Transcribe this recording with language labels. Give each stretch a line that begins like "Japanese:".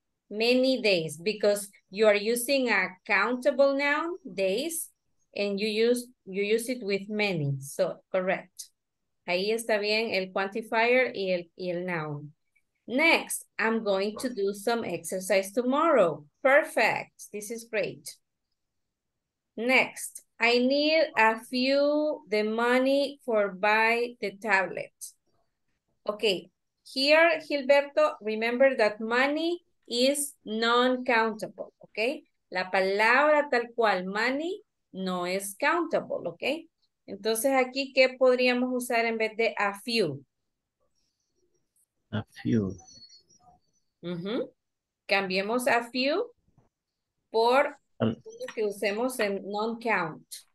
English: Many days, because you are using a countable noun, days, and you use it with many. So correct.
Spanish: Ahí está bien el
English: quantifier y el noun. Next, I'm going to do some exercise tomorrow. Perfect. This is great. Next. I need a few the money for buy the tablet. Okay, here, Gilberto, remember that money is non-countable, okay?
Spanish: La palabra tal cual,
English: money,
Spanish: no es
English: countable, okay?
Spanish: Entonces aquí, ¿qué podríamos usar en vez de
English: a few? A few.
Spanish: Mm-hmm. Cambiemos
English: a few
Spanish: por que usemos en
English: non-count.